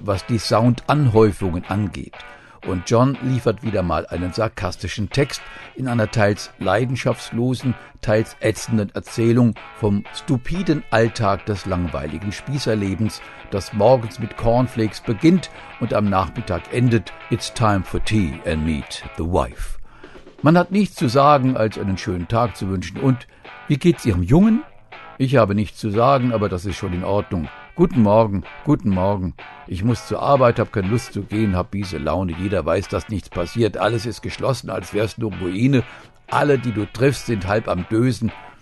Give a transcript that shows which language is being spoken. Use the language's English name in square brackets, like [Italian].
[German] was die Soundanhäufungen angeht. Und John liefert wieder mal einen sarkastischen Text in einer teils leidenschaftslosen, teils ätzenden Erzählung vom stupiden Alltag des langweiligen Spießerlebens, das morgens mit Cornflakes beginnt und am Nachmittag endet. [English] It's time for tea and meet the wife. [German] Man hat nichts zu sagen, als einen schönen Tag zu wünschen. Und wie geht's Ihrem Jungen? Ich habe nichts zu sagen, aber das ist schon in Ordnung. Guten Morgen, guten Morgen. Ich muss zur Arbeit, hab keine Lust zu gehen, hab miese Laune. Jeder weiß, dass nichts passiert. Alles ist geschlossen, als wär's nur Ruine. Alle, die du triffst, sind halb am Dösen.